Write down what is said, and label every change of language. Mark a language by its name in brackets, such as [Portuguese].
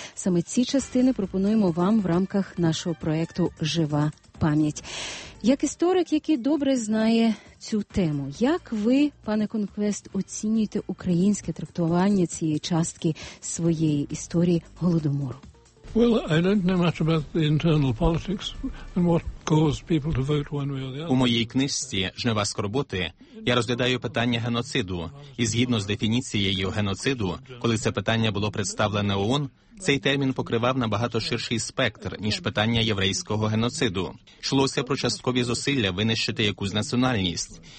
[Ukrainian] Саме ці частини пропонуємо вам в рамках нашого проєкту «Жива пам'ять». Як історик, який добре знає цю тему, як ви, пане Конквест, оцінюєте українське трактування цієї частки своєї історії Голодомору? [English] Well, I don't know much about the internal politics and what caused people to vote one way or the other. [Ukrainian] У моїй книжці «Жнива скорботи» я розглядаю питання геноциду, і згідно з дефініцією геноциду, коли це питання було представлене ООН, цей термін покривав набагато ширший спектр, ніж питання єврейського геноциду. Йшлося про часткові зусилля винищити якусь національність.